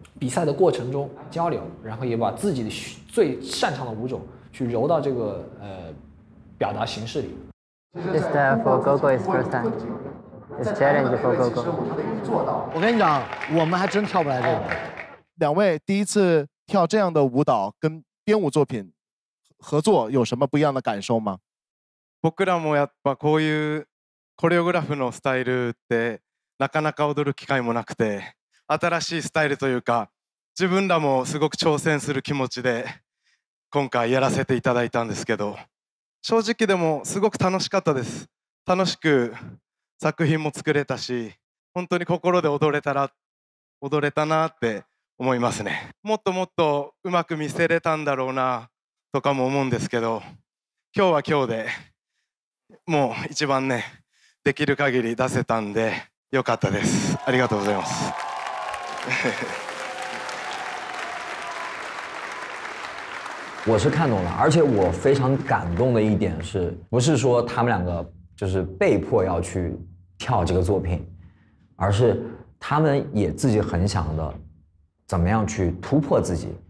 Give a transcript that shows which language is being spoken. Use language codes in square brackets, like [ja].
[zh] 比赛的过程中交流，然后也把自己的最擅长的舞种去揉到这个表达形式里。 [en] This for Gogo is first time. It's challenge for Gogo. [zh] 我跟你讲，我们还真跳不来这个。两位第一次跳这样的舞蹈，跟编舞作品合作有什么不一样的感受吗？ [ja] 僕らもやっぱこういうコレオグラフのスタイルってなかなか踊る機会もなくて、新しいスタイルというか、自分らもすごく挑戦する気持ちで今回やらせていただいたんですけど、正直でもすごく楽しかったです。楽しく作品も作れたし、本当に心で踊れたなって思いますね。もっともっとうまく見せれたんだろうなとかも思うんですけど、今日は今日でもう一番ね、できる限り出せたんで良かったです。ありがとうございます。 [zh] 我是看懂了，而且我非常感动的一点是，不是说他们两个就是被迫要去跳这个作品，而是他们也自己很想的怎么样去突破自己。